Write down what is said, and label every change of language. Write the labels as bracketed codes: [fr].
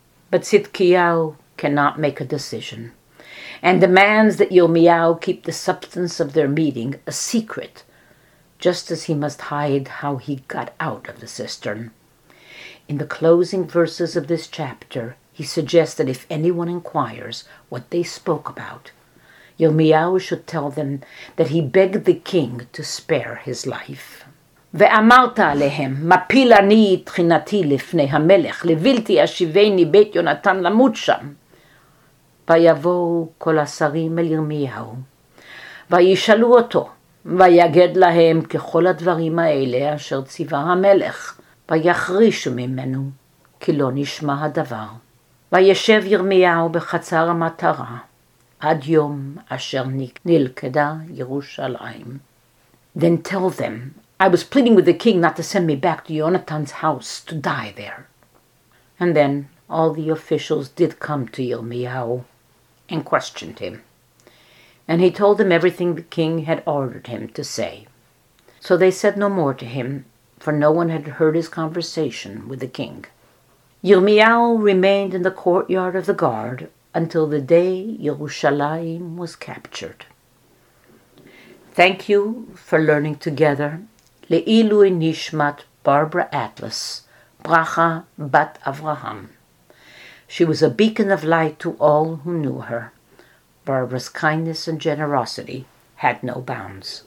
[en] But Zedekiah cannot make a decision, and demands that Yirmiyahu keep the substance of their meeting a secret, just as he must hide how he got out of the cistern. In the closing verses of this chapter, he suggests that if anyone inquires what they spoke about, Yirmiyahu should tell them that he begged the king to spare his life. [he] ואמרת עליהם, מפיל אני תחינתי לפני המלך, לבלתי אשיבני בית יונתן למות שם. ויבואו כל השרים אל ירמיהו, וישאלו אותו, ויגד להם ככל הדברים האלה אשר ציווה המלך, ויחרישו ממנו, כי לא נשמע הדבר. וישב ירמיהו בחצר המטרה, עד יום אשר נלכדה ירושלים. [en] Then tell them, I was pleading with the king not to send me back to Yonatan's house to die there. And then all the officials did come to Yirmiyahu and questioned him. And he told them everything the king had ordered him to say. So they said no more to him, for no one had heard his conversation with the king. Yirmiyahu remained in the courtyard of the guard until the day Yerushalayim was captured. Thank you for learning together. [he] לעילוי נשמת ברברה אטלס, ברכה בת אברהם. [en] She was a beacon of light to all who knew her. Barbara's kindness and generosity had no bounds.